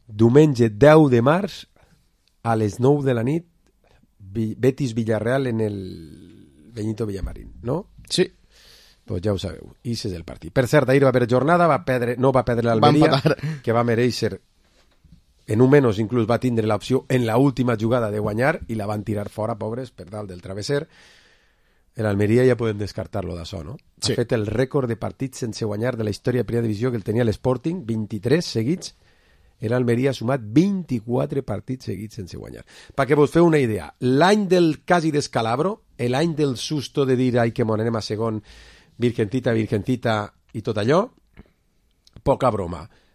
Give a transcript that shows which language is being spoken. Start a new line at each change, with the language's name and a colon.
Catalan: Diumenge 10 de març a les 9 de la nit, Betis Villarreal en el Benito Villamarín, no? Sí. Pues ja ho sabeu, i és el partit. Per cert, ahir va haver jornada, va perdre l'Almeria, que va mereixer, en un menos inclús va tindre l'opció en l'última jugada de guanyar i la van tirar fora, pobres, per dalt del travesser.
Spanish: El Almería ya pueden descartarlo de eso, ¿no?
Catalan: Sí. Ha fet el récord de partits sense guanyar de la història de primera divisió que el tenia l'Sporting, 23 seguits. El Almería ha sumat 24 partits seguits sense guanyar. Pa que vos feu una idea, l'any del quasi descalabro, el any del susto de dir ai que m'anem a segon,
Spanish: virgencita, virgencita
Catalan: i tot allò, poca broma.